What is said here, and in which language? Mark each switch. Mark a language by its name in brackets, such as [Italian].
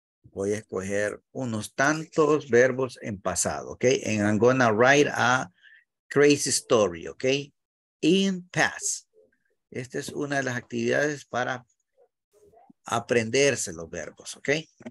[Spanish] Voy a escoger unos tantos verbos en pasado, okay? [English] And I'm gonna write a crazy story, okay? In past. [Spanish] Esta es una de las actividades para aprenderse los verbos, okay?